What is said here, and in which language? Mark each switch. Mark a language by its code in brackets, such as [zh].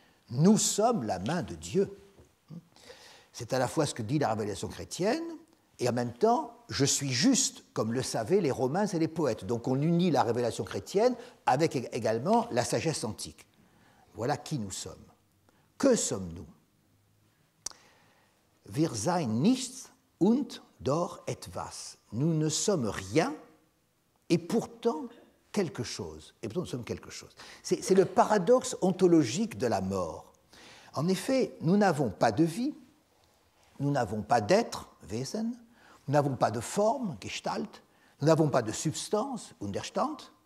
[fr] Nous sommes la main de Dieu. C'est à la fois ce que dit la révélation chrétienne et en même temps, je suis juste, comme le savaient les Romains et les poètes. Donc on unit la révélation chrétienne avec également la sagesse antique. Voilà qui nous sommes. Que sommes-nous? [de] Wir sein nichts und doch etwas. [fr] Nous ne sommes rien et pourtant quelque chose. Et pourtant nous sommes quelque chose. C'est le paradoxe ontologique de la mort. En effet, nous n'avons pas de vie, nous n'avons pas d'être, Wesen, nous n'avons pas de forme, Gestalt, nous n'avons pas de substance, Unterstand.